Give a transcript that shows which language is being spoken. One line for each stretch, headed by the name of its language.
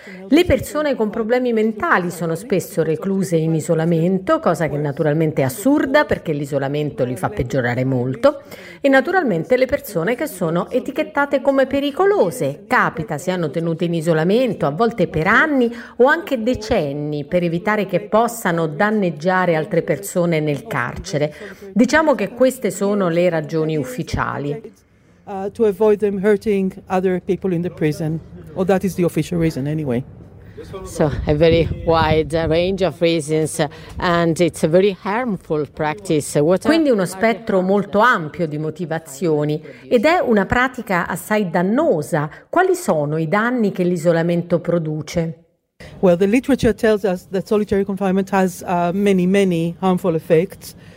Italian: Le persone con problemi mentali sono spesso recluse in isolamento, cosa che naturalmente è assurda perché l'isolamento li fa peggiorare molto, e naturalmente le persone che sono etichettate come pericolose, capita siano tenute in isolamento a volte per anni o anche decenni per evitare che possano danneggiare altre persone nel carcere. Diciamo che queste sono le ragioni ufficiali.
English: To avoid them hurting other people in the prison. Well, that is the official reason anyway. So a very wide range of reasons, and it's a very harmful practice.
Italian: Quindi uno spettro molto ampio di motivazioni ed è una pratica assai dannosa. Quali sono i danni che l'isolamento produce?
English: Well, the literature tells us that solitary confinement has many harmful effects.